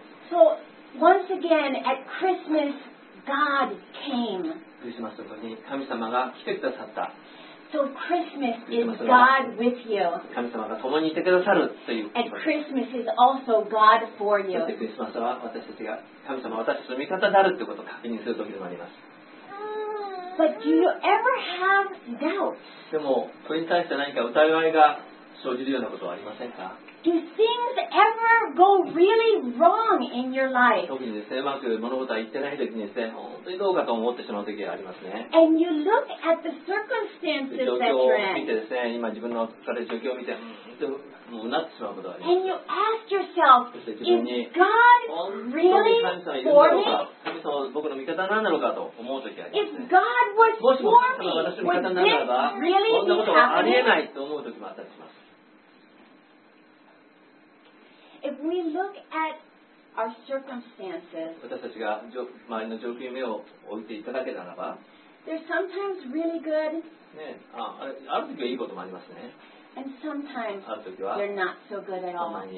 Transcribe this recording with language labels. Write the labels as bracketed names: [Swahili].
[English] So once again at Christmas, God came. [Japanese] Christmas の時に神様が来てくださった。 [English] So Christmas is God with you. [Japanese] 神様が共にいてくださるという。 [English] And Christmas is also God for you. [Japanese] クリスマスは私たちが神様は私たちの味方であるということを確認する時でもあります。 [English] But do you ever have doubts? [Japanese] でもそれに対して何か疑いが生じるようなことはありませんか？ [English] Do things ever go really wrong in your life? [Japanese] 特にですね、うまく物事は言ってない時にですね、本当にどうかと思ってしまう時がありますね。 [English] And you look at the circumstances that you're in. [Japanese] 状況を見てですね、今自分の置かれる状況を見て、もうなってしまうことがあります。 [English] And you ask yourself, is God really for me? [Japanese] 神様は僕の味方なんだろうかと思う時があります、ね。 [English] If God was for me, [Japanese] もしも神様は私の味方ならば、 [English] really、 [Japanese] こんなことはありえないと思う時もあったりします。 [English] If we look at our circumstances, [Japanese] 私たちが周りの状況に目を置いていただけたならば、 [English] they're sometimes really good, [Japanese] ね、ある時はいいこともありますね。 [English] And sometimes they're not so good at all.